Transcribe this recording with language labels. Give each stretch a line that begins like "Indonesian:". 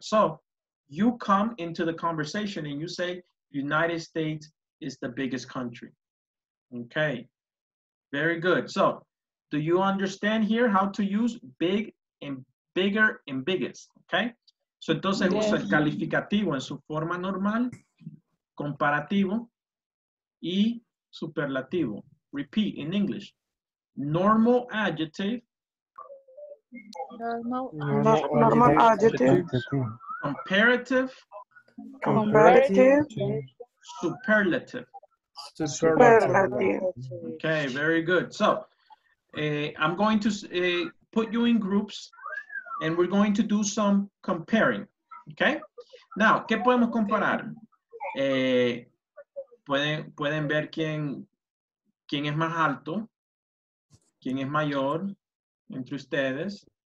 English: So, you come into the conversation and you say, United States is the biggest country. Okay, very good. So, do you understand here how to use big and bigger and biggest? Okay, so
Spanish: entonces
English: yes.
Spanish: Usa el calificativo en su forma normal, comparativo y superlativo.
English: Repeat in English. Normal adjective. Normal adjective. Comparative. Superlative. Superlative. Okay, very good. So, I'm going to put you in groups and we're going to do some comparing. Okay? Now,
Spanish: ¿qué podemos comparar? Pueden ver quién es más alto, quién es mayor entre ustedes.